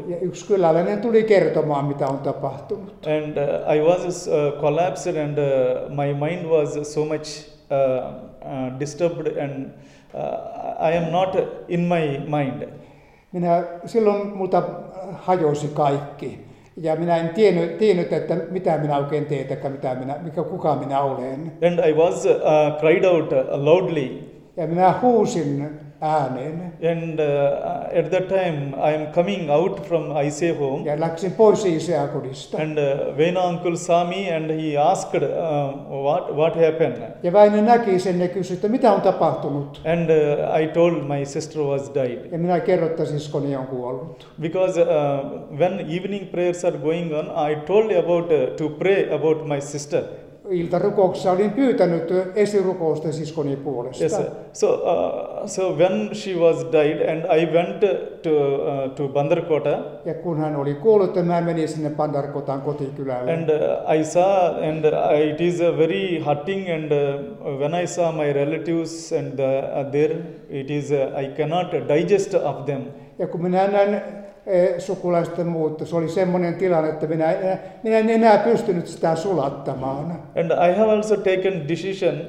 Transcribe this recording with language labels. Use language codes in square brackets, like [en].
[fi] Ja yksi kyläläinen tuli kertomaan mitä on tapahtunut. [en] And I was collapsed and my mind was so much disturbed and I am not in my mind. [fi] Minä silloin multa hajosi kaikki ja minä en tiennyt että mitä minä oikein teet, että mitä minä, mikä kuka minä olen. [en] And I was cried out loudly. [fi] Ja minä huusin äänen. [en] And at that time I am coming out from ICA home. [fi] Ja läksin pois ICA-kodista. [en] And Veena uncle saw me and he asked what happened. [fi] Ja Väinö näki sen ja kysyi, että mitä on tapahtunut. [en] And I told my sister was died. [fi] Ja minä kerroin, että siskoni on kuollut. [en] Because when evening prayers are going on, I told about to pray about my sister. [fi] Iltarukouksessa olin pyytänyt esirukousta siskoni puolesta. [en] Yes, so when she was died and I went to Bandarkota. [fi] Ja kun hän oli kuollut, mä menin sinne Bandarkotan kotikylälle. [en] And I saw and it is a very hurting and when I saw my relatives and there it is I cannot digest of them. [fi] Ja kun minä näin sukulaisten muutta. Se oli semmoinen tilanne, että minä en enää pystynyt sitä sulattamaan. [en] And I have also taken decision.